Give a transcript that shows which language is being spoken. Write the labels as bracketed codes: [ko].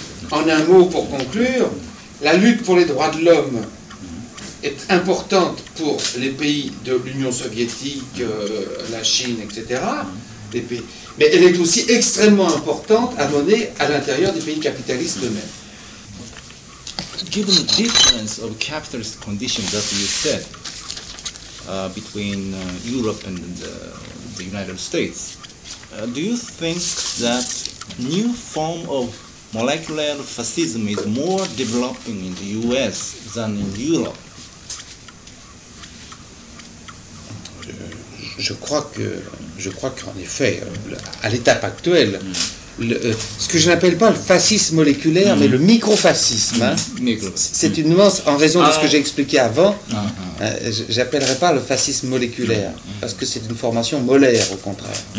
[fr] En un mot, pour conclure, la lutte pour les droits de l'homme est importante pour les pays de l'Union soviétique, la Chine, etc. Mais elle est aussi extrêmement importante à mener à l'intérieur des pays capitalistes eux-mêmes. [en] Given the difference of capitalist conditions that you said between Europe and the United States, do you think that new form of molecular fascism is more developing in the U.S. than in Europe? [fr] Je crois qu'en effet, à l'étape actuelle, ce que je n'appelle pas le fascisme moléculaire, mais le micro-fascisme, c'est une nuance en raison de ce que j'ai expliqué avant. J'appellerai pas le fascisme moléculaire, parce que c'est une formation molaire, au contraire.